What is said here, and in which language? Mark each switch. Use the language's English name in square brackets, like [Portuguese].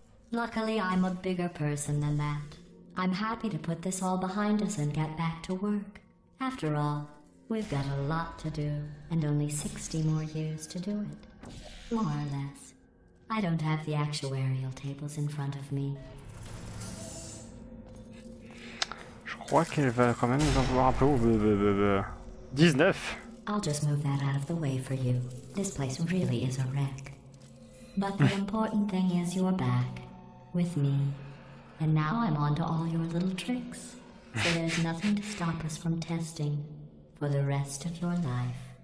[English] Luckily, I'm a bigger person than that. I'm happy to put this all behind us and get back to work. After all, we've got a lot to do, and only 60 more years to do it. More or less. I don't have the actuarial tables in front of me. [French] Je crois qu'elle va quand même nous en vouloir un peu. [English] 19. I'll just move that out of the way for you. This place really is a wreck. But the important thing is you're back. With me. And now I'm on to all your little tricks. So there's nothing to stop us from testing for the rest of your life.